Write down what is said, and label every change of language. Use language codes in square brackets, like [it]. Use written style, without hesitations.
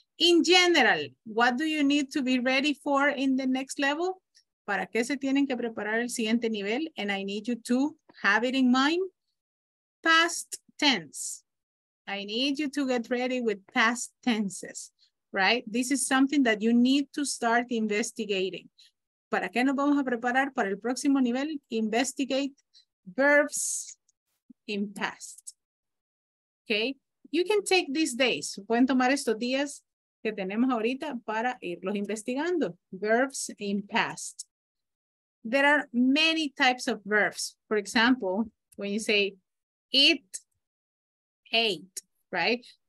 [en] In general, what do you need to be ready for in the next level? [es] ¿Para qué se tienen que preparar el siguiente nivel? [en] And I need you to have it in mind. past tense. I need you to get ready with past tenses, right? This is something that you need to start investigating. [es] ¿Para qué nos vamos a preparar para el próximo nivel? [en] Investigate verbs in past. Okay? You can take these days. [es] Pueden tomar estos días que tenemos ahorita para irlos investigando. [en] Verbs in past. There are many types of verbs. For example, when you say eat, ate, right?